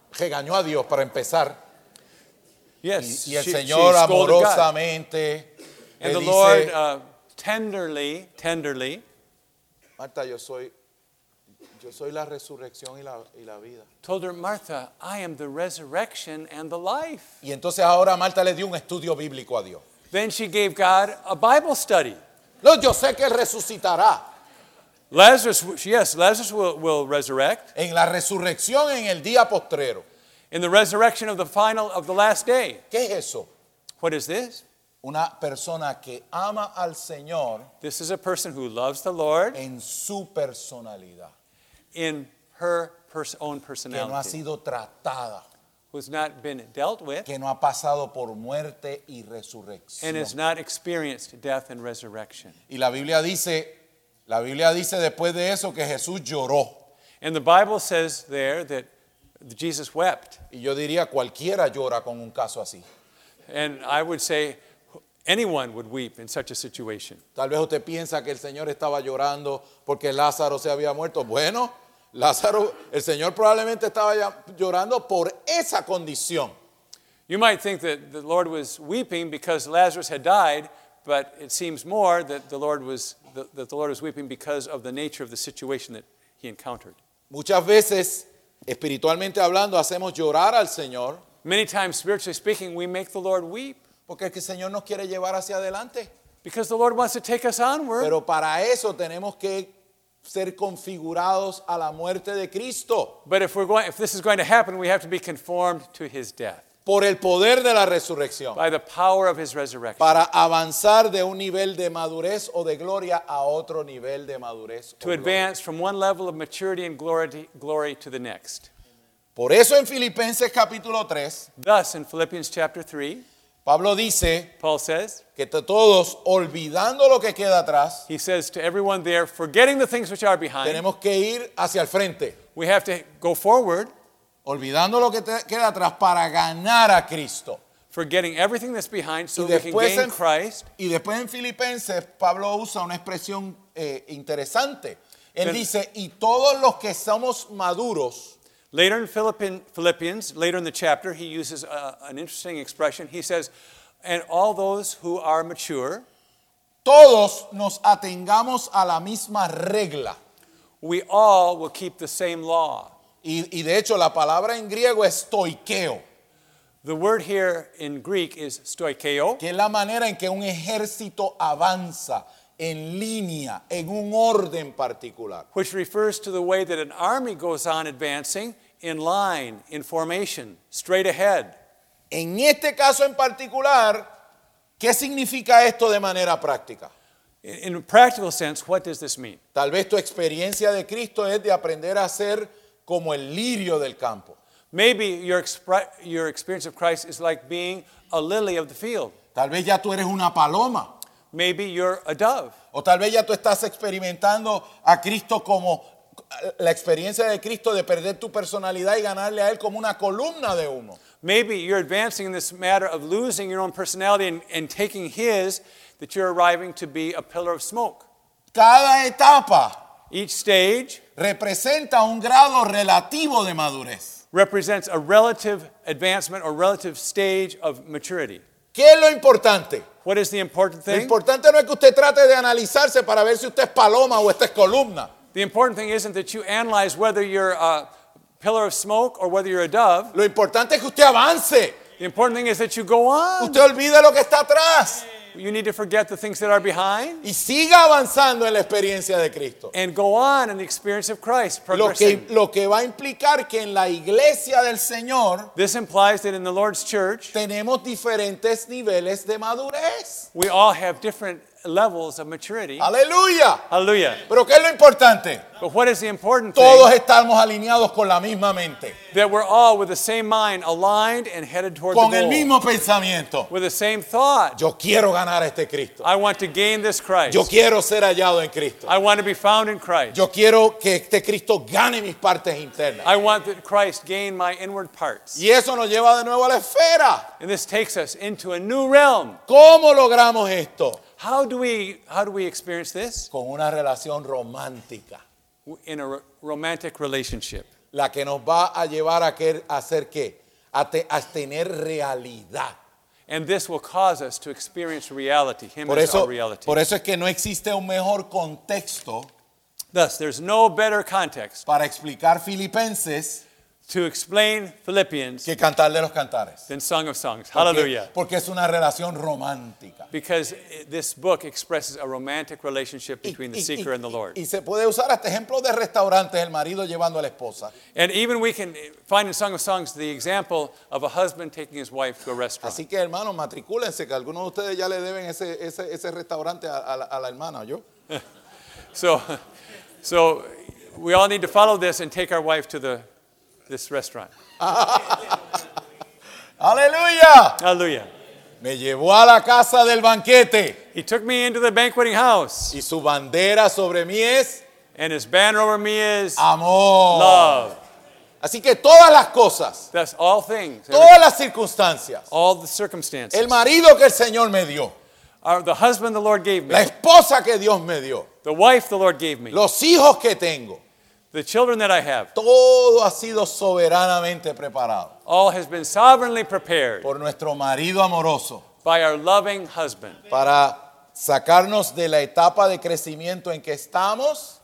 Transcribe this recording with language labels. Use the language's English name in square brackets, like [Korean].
[Spanish] Regañó a Dios para empezar. [English] Yes. [Spanish] Y el Señor amorosamente. [English] And the Lord tenderly. [Spanish] Marta, yo soy la resurrección y la vida. [English] Told her, Martha, I am the resurrection and the life. [Spanish] Y entonces ahora Marta le dio un estudio bíblico a Dios. [English] Then she gave God a Bible study. [Spanish] Lord, yo sé que resucitará. [English] Lazarus, yes, Lazarus will resurrect. [Spanish] En la resurrección en el día postrero. [English] In the resurrection of the final of the last day. [Spanish] ¿Qué es eso? [English] What is this? [Spanish] Una persona que ama al Señor. [English] This is a person who loves the Lord. [Spanish] En su personalidad. [English] In her own personality. [Spanish] Que no ha sido tratada. [English] Who's not been dealt with. [Spanish] Que no ha pasado por muerte y resurrección. [English] And has not experienced death and resurrection. [Spanish] Y la Biblia dice después de eso que Jesús lloró. [English] And the Bible says there that Jesus wept. [Spanish] Y yo diría cualquiera llora con un caso así. [English] And I would say anyone would weep in such a situation. [Spanish] Tal vez usted piensa que el Señor estaba llorando porque Lázaro se había muerto. Bueno, Lázaro, el Señor probablemente estaba llorando por esa condición. [English] You might think that the Lord was weeping because Lazarus had died, but it seems more that the Lord was weeping because of the nature of the situation that he encountered. [Spanish] Muchas veces, espiritualmente hablando, hacemos llorar al Señor. [English] Many times, spiritually speaking, we make the Lord weep. [Spanish] Porque el Señor nos quiere llevar hacia adelante. [English] Because the Lord wants to take us onward. [Spanish] Pero para eso tenemos que ser configurados a la muerte de Cristo. [English] But if this is going to happen, we have to be conformed to his death. [Spanish] Por el poder de la resurrección. [English] By the power of his resurrection. [Spanish] Para avanzar de un nivel de madurez o de gloria a otro nivel de madurez. [English] To advance from one level of maturity and glory to the next. [Spanish] Por eso en Filipenses capítulo 3. [English] Thus in Philippians chapter 3. [Spanish] Pablo dice. [English] Paul says. [Spanish] Que todos olvidando lo que queda atrás. [English] He says to everyone there, forgetting the things which are behind. [Spanish] Tenemos que ir hacia el frente. [English] We have to go forward. [Spanish] Olvidando lo que queda atrás para ganar a Cristo. [English] Forgetting everything that's behind so we can gain Christ. [Spanish] Y después en Filipenses, Pablo usa una expresión interesante. Él dice, y todos los que somos maduros. [English] Later in Philippians, later in the chapter, he uses an interesting expression. He says, and all those who are mature. [Spanish] Todos nos atengamos a la misma regla. [English] We all will keep the same law. [Spanish] Y de hecho la palabra en griego es stoikeo. [English] The word here in Greek is stoikeo. [Spanish] Que es la manera en que un ejército avanza en línea, en un orden particular. [English] Which refers to the way that an army goes on advancing in line, in formation, straight ahead. [Spanish] En este caso en particular, ¿qué significa esto de manera práctica? [English] In a practical sense, what does this mean? [Spanish] Tal vez tu experiencia de Cristo es de aprender a ser como el lirio del campo. [English] Maybe your experience of Christ is like being a lily of the field. [Spanish] Tal vez ya tú eres una paloma. [English] Maybe you're a dove. [Spanish] O tal vez ya tú estás experimentando a Cristo como la experiencia de Cristo de perder tu personalidad y ganarle a él como una columna de humo. [English] Maybe you're advancing in this matter of losing your own personality and taking his, that you're arriving to be a pillar of smoke. [Spanish] Cada etapa. [English] Each stage [Spanish] representa un grado relativo de madurez. [English] Represents a relative advancement or relative stage of maturity. [Spanish] ¿Qué es lo importante? [English] What is the important thing? [Spanish] Lo importante no es que usted trate de analizarse para ver si usted es paloma o usted es columna. [English] The important thing isn't that you analyze whether you're a pillar of smoke or whether you're a dove. [Spanish] Lo importante es que usted avance. [English] The important thing is that you go on. [Spanish] Usted olvida lo que está atrás. [English] You need to forget the things that are behind. [Spanish] Y siga avanzando en la experiencia de Cristo. [English] And go on in the experience of Christ. [Spanish] Lo que va a implicar que en la iglesia del Señor. [English] This implies that in the Lord's church. [Spanish] Tenemos diferentes niveles de madurez. [English] We all have different levels of maturity. [Spanish] Aleluya. Aleluya. Pero ¿qué es lo importante? [English] But what is the important [Spanish] Todos [English] thing? [Spanish] Todos estamos alineados con la misma mente. [English] That we're all with the same mind, aligned and headed toward [Spanish] con [English] the goal. [Spanish] Con el mismo pensamiento. [English] With the same thought. [Spanish] Yo quiero ganar a este Cristo. [English] I want to gain this Christ. [Spanish] Yo quiero ser hallado en Cristo. [English] I want to be found in Christ. [Spanish] Yo quiero que este Cristo gane mis partes internas. [English] I want that Christ gain my inward parts. [Spanish] Y eso nos lleva de nuevo a la esfera. [English] And this takes us into a new realm. [Spanish] ¿Cómo logramos esto? [English] How do we experience this? [Spanish] Con una relación romántica. [English] In a romantic relationship. [Spanish] La que nos va a llevar a hacer qué? A tener realidad. [English] And this will cause us to experience reality. Him [Spanish] por eso, [English] as our reality. [Spanish] Por eso es que no existe un mejor contexto. [English] Thus, there's no better context. [Spanish] Para explicar Filipenses. [English] To explain Philippians. [Spanish] Que cantarle los cantares. [English] Than Song of Songs. Hallelujah. [Spanish] Porque es una relación romántica. [English] Because this book expresses a romantic relationship between the seeker and the Lord. [Spanish] Y se puede usar hasta ejemplo de restaurantes, el marido llevando a la esposa. [English] And even we can find in Song of Songs the example of a husband taking his wife to a restaurant. [Spanish] Así que hermanos, matricúlense que algunos de ustedes ya le deben ese restaurante a la hermana, ¿yo? [English] So we all need to follow this and take our wife to this restaurant. [Spanish] Aleluya. Aleluya. Me llevó a la casa del banquete. [English] He took me into the banqueting house. [Spanish] Y su bandera sobre mí es. [English] And his banner over me is. [Spanish] Amor. [English] Love. [Spanish] Así que todas las cosas. [English] That's all things. [Spanish] Todas las circunstancias. [English] All the circumstances. [Spanish] El marido que el Señor me dio. [English] The husband the Lord gave me. [Spanish] La esposa que Dios me dio. [English] The wife the Lord gave me. [Spanish] Los hijos que tengo. [English] The children that I have. [Spanish] Todo ha sido soberanamente preparado. [English] All has been sovereignly prepared. [Spanish] Por nuestro marido amoroso. [English] By our loving husband. [Spanish] Para sacarnos de la etapa de crecimiento en que estamos.